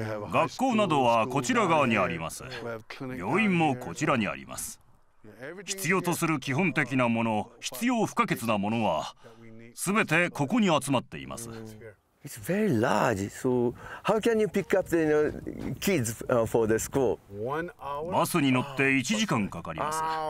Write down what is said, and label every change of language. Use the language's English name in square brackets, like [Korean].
[Japanese] 学校などはこちら側にあります。病院もこちらにあります。必要とする基本的なもの、必要不可欠なものは、すべてここに集まっています。 [English] It's very large. So how can you pick up the kids for the school? [Japanese] バスに乗って1時間かかります。